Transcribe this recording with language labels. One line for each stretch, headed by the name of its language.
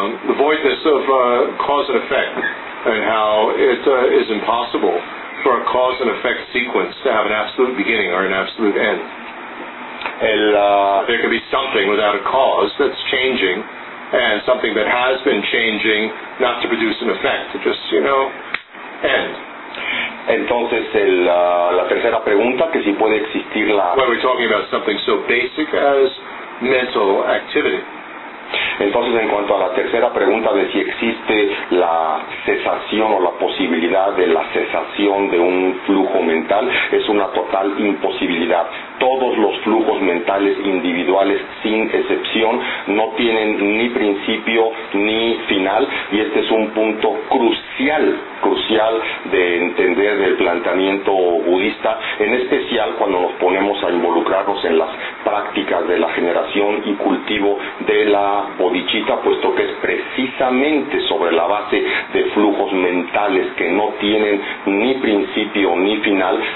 English: the voidness of cause and effect, and how it is impossible for a cause and effect sequence to have an absolute beginning or an absolute end. There can be something without a cause that's changing, and something that has been changing, not to produce an effect, to just, you know, end.
Spanish: Entonces, la tercera pregunta, que si puede existir la...
English: When we're talking about something so basic as mental activity.
Spanish: Entonces, en cuanto a la tercera pregunta de si existe la cesación o la posibilidad de la cesación de un flujo mental, es una total imposibilidad. Todos los flujos mentales individuales, sin excepción, no tienen ni principio ni final, y este es un punto crucial de entender del planteamiento budista, en especial cuando nos ponemos a involucrarnos en las prácticas de la generación y cultivo de la bodichita, puesto que es precisamente sobre la base de flujos mentales que no tienen ni principio ni final,